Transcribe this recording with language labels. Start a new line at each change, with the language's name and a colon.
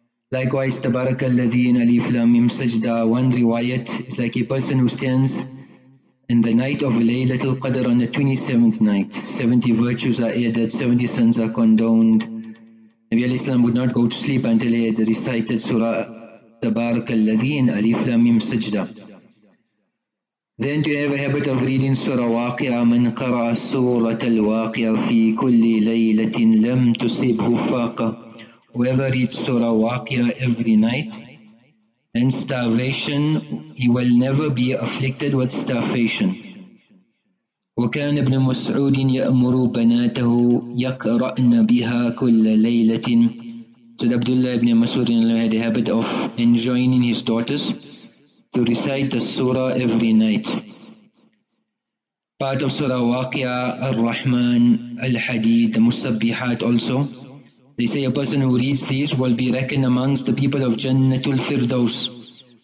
English: Likewise, Tabarakalladhi in Alif Lam Mim Sajda, one riwayat is like a person who stands in the night of Laylatul Qadr on the 27th night. 70 virtues are added, 70 sins are condoned. Nabi alayhi salam would not go to sleep until he had recited Surah Tabarakalladhi in Alif Lam Mim Sajda. Then to have a habit of reading Surah Waqi'ah,
Arabic: من قرأ سورة الواقعه في كل ليلة لم تصبه فاقة.
English: Whoever reads Surah Waqi'ah every night, then starvation, he will never be afflicted with starvation.
Arabic: وكان ابن مسعود يأمر بناته يقرأن بها كل ليلة.
English: So Abdullah ibn Mas'ud had a habit of enjoining his daughters to recite the surah every night. Part of Surah Waqi'ah, Ar-Rahman, Al-Hadid, the Musabbihat also. They say a person who reads these will be reckoned amongst the people of Jannatul Firdaus.